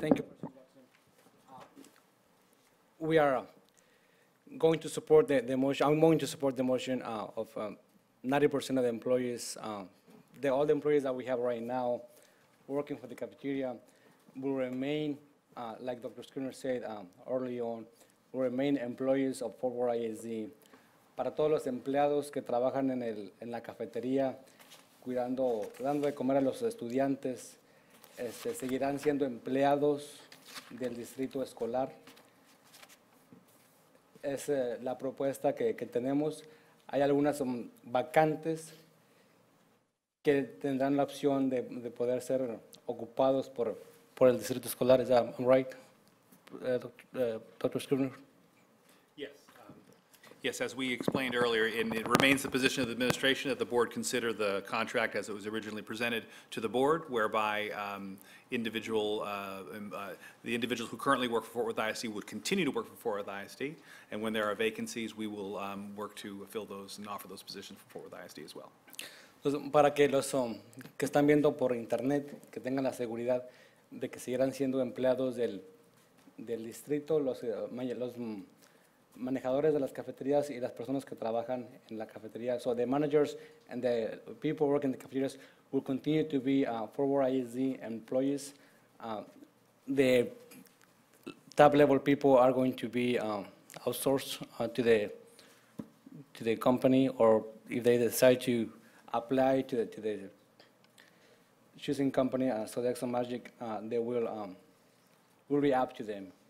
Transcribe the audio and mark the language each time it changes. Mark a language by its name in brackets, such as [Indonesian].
[English] Thank you, President Jackson. We are going to support the motion. I'm going to support the motion of 90% of the employees. All the employees that we have right now working for the cafeteria will remain, like Dr. Skinner said early on, will remain employees of Fort Worth ISD. [Spanish] Para todos los empleados que trabajan en la cafetería, cuidando, dando de comer a los estudiantes, seguirán siendo empleados del distrito escolar. Es la propuesta que tenemos. Hay algunas vacantes que tendrán la opción de poder ser ocupados por el distrito escolar, [English] is that right, Dr. Scribner? Yes. Yes, as we explained earlier, and it remains the position of the administration that the board consider the contract as it was originally presented to the board, whereby the individuals who currently work for Fort Worth ISD would continue to work for Fort Worth ISD, and when there are vacancies, we will work to fill those and offer those positions for Fort Worth ISD as well. [Spanish] Para que los que están viendo por internet, que tengan la seguridad de que seguirán siendo empleados del distrito, los manejadores de las cafeterías y las personas que trabajan en la cafetería. [English] So the managers and the people working in the cafeterias will continue to be Fort Worth ISD employees. The top-level people are going to be outsourced to the company, or if they decide to apply to the choosing company, Sodexo Magic, they will be up to them.